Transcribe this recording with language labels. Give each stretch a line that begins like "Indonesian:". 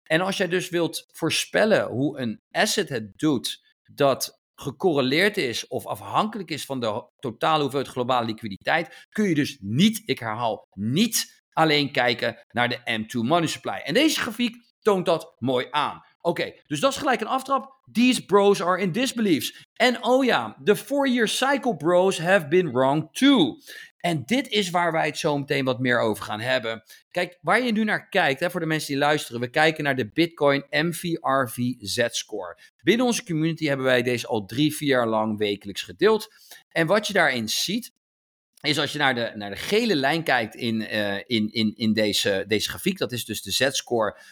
Dutch: En als jij dus wilt voorspellen hoe een asset het doet dat gecorreleerd is of afhankelijk is van de totale hoeveelheid globale liquiditeit, kun je dus niet, ik herhaal, niet alleen kijken naar de M2 money supply. En deze grafiek toont dat mooi aan. Oké, dus dat is gelijk een aftrap.
English: These bros are in disbeliefs.
Dutch: En oh ja,
English: the 4-year cycle bros have been wrong too.
Dutch: En dit is waar wij het zo meteen wat meer over gaan hebben. Kijk, waar je nu naar kijkt, voor de mensen die luisteren, we kijken naar de Bitcoin MVRV Z-score. Binnen onze community hebben wij deze al 3-4 jaar lang wekelijks gedeeld. En wat je daarin ziet, is als je naar de gele lijn kijkt in deze grafiek, dat is dus de Z-score